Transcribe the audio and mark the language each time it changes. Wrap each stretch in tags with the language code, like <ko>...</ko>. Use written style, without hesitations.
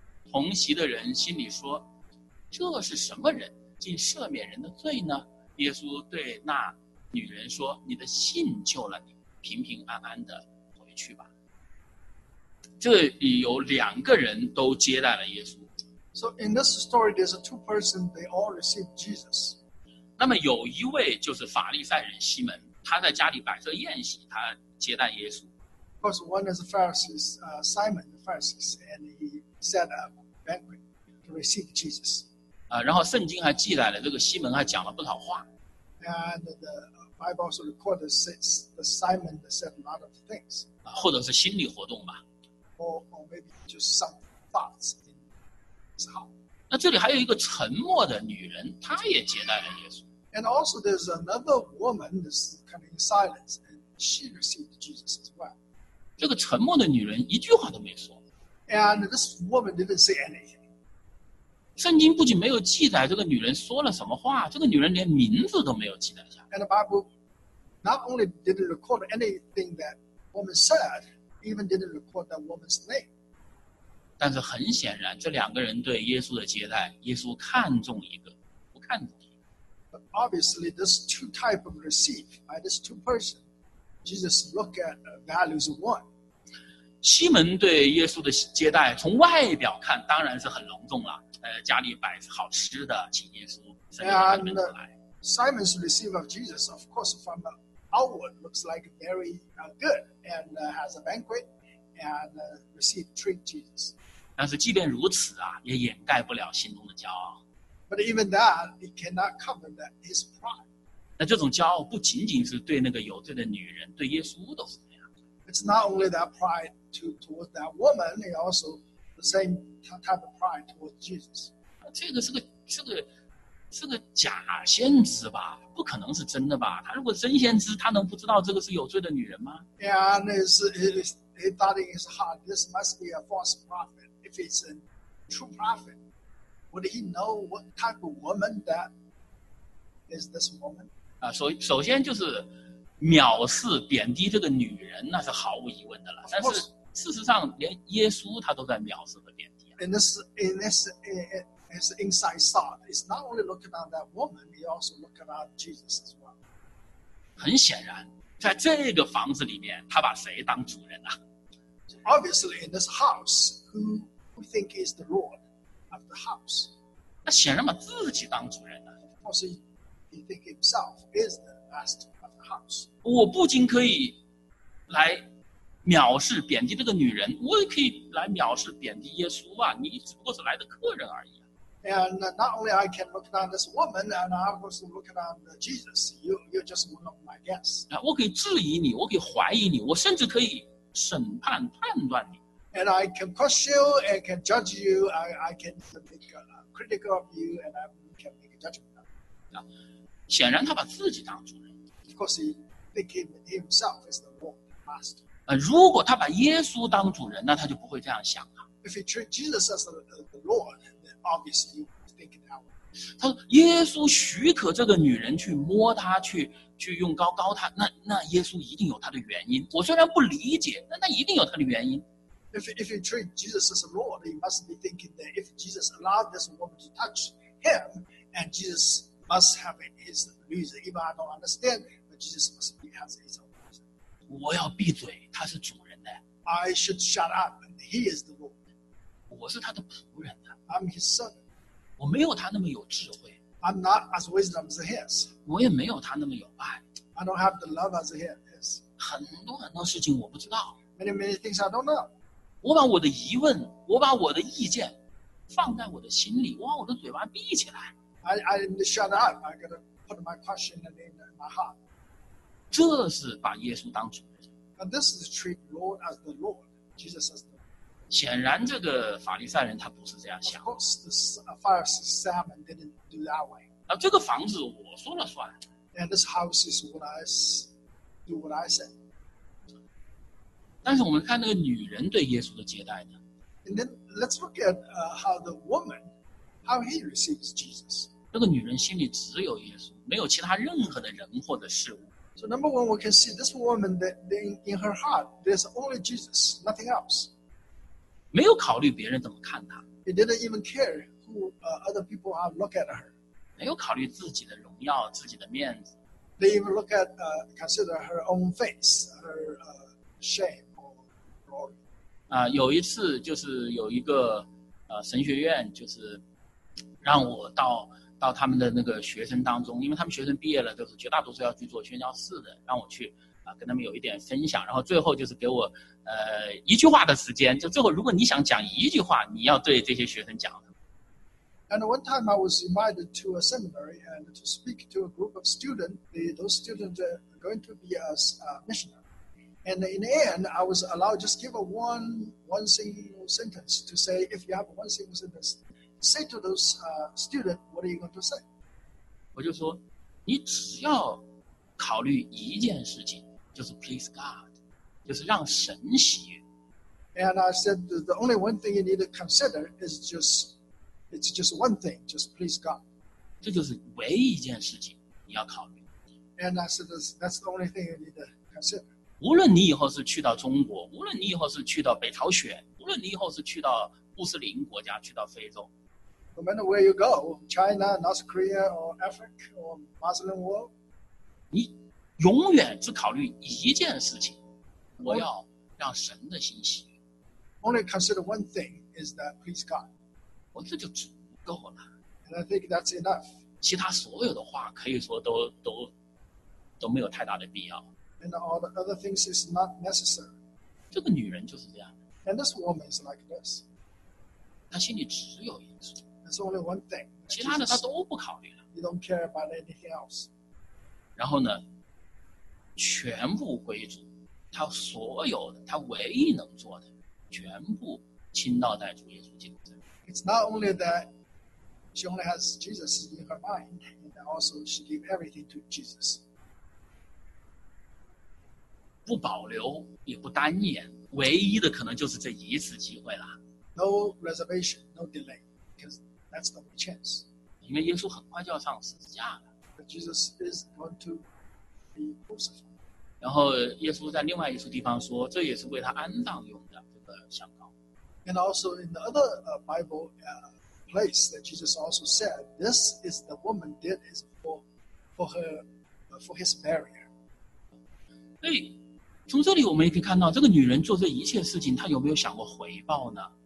<zh>同席的人心里说：这是什么人，竟赦免人的罪呢？耶稣对那女人说：你的信救了你，平平安安的回去吧。这里有两个人都接待了耶稣。</zh> <en>So in this story, there's two persons, they all received Jesus.</en> <zh>那么有一位就是法利赛人西门，他在家里摆设宴席，他接待耶稣。</zh> <en>Of course, one is a Pharisee, Simon, the Pharisee, and he set up a banquet to receive Jesus.</en> <zh>然后圣经还记载了这个西门还讲了不少话。</zh> <en>And the Bible also recorded that Simon said a lot of things.</en> <zh>或者是心理活动吧。</zh> <en>Or maybe just some thoughts.</en> <zh>那这里还有一个沉默的女人，她也接待了耶稣。</zh> <en>And also there's another woman that's kind of in silence, and she received Jesus as well.</en> <zh>这个沉默的女人一句话都没说。</zh> <en>And this woman didn't say anything.</en> <zh>圣经不仅没有记载这个女人说了什么话，这个女人连名字都没有记载下。</zh> <en>And the Bible not only didn't record anything that woman said, even didn't record that woman's name.</en> <zh>但是很显然，这两个人对耶稣的接待，耶稣看中一个，不看中一个。</zh> <en>But obviously, this two type of receive by this two person, Jesus look at values one.</en> <zh>西门对耶稣的接待，从外表看当然是很隆重了。家里摆好吃的，请耶稣，圣灵从里面出来。</zh> <en>Simon's receive of Jesus, of course, from the outward looks like very good and has a banquet. And receive treat Jesus.</en> <zh>但是即便如此啊，也掩盖不了心中的骄傲。</zh> <en>But even that, it cannot cover that his pride.</en> <zh>那这种骄傲不仅仅是对那个有罪的女人，对耶稣都是这样。</zh> <en>It's not only that pride towards that woman, it also the same type of pride towards Jesus.</en> <zh>这个是个假先知吧？不可能是真的吧？他如果真先知，他能不知道这个是有罪的女人吗</zh> <en>？Yeah, and it's. He thought in his heart, this must be a false prophet. If it's a true prophet, would he know what type of woman that is this woman?</en> <zh>首先就是藐视贬低这个女人，那是毫无疑问的了。但是事实上连耶稣他都在藐视和贬低、啊、</zh> <en>and this is as inside thought it's not only looking at that woman he also looking at Jesus as well。</en> <zh>很显然在这个房子里面他把谁当主人啊？</zh> <en>So obviously in this house who think is the Lord of the house，</en> <zh>那显然把自己当主人啊。</zh> <en>Also he think himself is the master。</en> <zh>我不仅可以来藐视贬低这个女人，我也可以来藐视贬低耶稣啊！你只不过是来的客人而已、啊。</zh> <en>And not only I can look down this woman, and I also look down Jesus. You just one of my guests.</en> <zh>我可以质疑你，我可以怀疑你，我甚至可以审判判断你。</zh> <en>And I can question you, I can judge you, I can make a critical of you, and I can make a judgment.</en> <zh>啊，显然他把自己当主人。</zh> <en>Of course, he became himself as the Lord, the Master.</en> <zh>如果他把耶稣当主人，那他就不会这样想了。</zh> <en>If he treated Jesus as the Lord, then obviously he would think that way.</en> <zh>他说，耶稣许可这个女人去摸他，去用膏膏他，那耶稣一定有他的原因。我虽然不理解，但那一定有他的原因。</zh> <en>If he treated Jesus as the Lord, he must be thinking that if Jesus allowed this woman to touch him, and Jesus must have his reason. Even I don't understand. Jesus must be has his own reason.</en> <zh>我要闭嘴，他是主人的。</zh> <en>I should shut up. He is the Lord.</en> <zh>我是他的仆人的。</zh> <en>I'm his servant.</en> <zh>我没有他那么有智慧。</zh> <en>I'm not as wisdom as his.</en> <zh>我也没有他那么有爱。</zh> <en>I don't have the love as he has.</en> <zh>很多很多事情我不知道。</zh> <en>Many many things I don't know.</en> <zh>我把我的疑问，我把我的意见，放在我的心里，我把我的嘴巴闭起来。</zh> <en>I'm shut up. I gotta put my question in my heart.</en> <zh>这是把耶稣当主人。</zh> <en>This is treat Lord as the Lord, Jesus as the Lord.</en> <zh>显然，这个法利赛人他不是这样想。</zh> <en>Of course, the Pharisee didn't do that way.</en> <zh>啊，这个房子我说了算。</zh> <en>And this house is what I do what I say.</en> <zh>但是我们看那个女人对耶稣的接待呢</zh> <en>？And then let's look at how the woman how he receives Jesus.</en> <zh>那个女人心里只有耶稣，没有其他任何的人或者事物。</zh> <en>So number one, we can see this woman that in her heart, there's only Jesus, nothing else.</en> <zh>没有考虑别人怎么看她。</zh> <en>He didn't even care who other people are look at her.</en> <zh>没有考虑自己的荣耀，自己的面子。</zh> <en>They even look at, consider her own face, her shame or glory.</en> <zh>有一次就是有一个神学院就是让我到他们的那个学生当中，因为他们学生毕业了，就是绝大多数要去做宣教士的，让我去跟他们有一点分享，然后最后就是给我一句话的时间，就最后如果你想讲一句话，你要对这些学生讲。</zh> <en>And one time I was invited to a seminary and to speak to a group of students. Those students are going to be as missionary. And in the end, I was allowed just give a one single sentence to say. If you have one single sentence. Say to those students, what are you going to say?</en> <zh>我就说，你只要考虑一件事情，就是</zh> <en>please God,</en> <zh>就是让神喜悦。</zh> <en>And I said the only one thing you need to consider is just one thing, just please God.</en> <zh>这就是唯一一件事情你要考虑。</zh> <en>And I said that's the only thing you need to consider.</en> <zh>无论你以后是去到中国，无论你以后是去到北朝鲜，无论你以后是去到穆斯林国家，去到非洲。</zh> <en>No matter where you go, China, North Korea, or Africa, or Muslim world,</en> <zh>你永远只考虑一件事情，我要让神的心喜悦。</zh> <en>Only consider one thing is that please God.</en> <zh>我这就足够了。</zh> <en>And I think that's enough.</en> <zh>其他所有的话可以说都没有太大的必要。</zh> <en>And all the other things is not necessary.</en> <zh>这个女人就是这样。</zh> <en>And this woman is like this.</en> <zh>她心里只有耶稣。</zh> <en>It's only one thing.</en> <zh>其他的他都不考虑了。</zh> <en>You don't care about anything else.</en> <zh>然后呢，全部归主，他所有的，他唯一能做的，全部倾倒在主耶稣基督身上。</zh> <en>It's not only that she only has Jesus in her mind, and also she gave everything to Jesus.</en> <zh>不保留，也不单言，唯一的可能就是这一次机会了。</zh> <en>No reservation, no delay, because. That's the only chance.</en> <zh>因为耶稣很快就要上十字架了。</zh> <en>But Jesus is going to be crucified.</en> <zh>然后耶稣在另外一处地方说，这也是为他安葬用的这个香膏。</zh> <en>And also in the other Bible place that Jesus also said, this is the woman did is for his burial.</en> <zh>所以从这里我们也可以看到，这个女人做这一切事情，她有没有想过回报呢？</zh>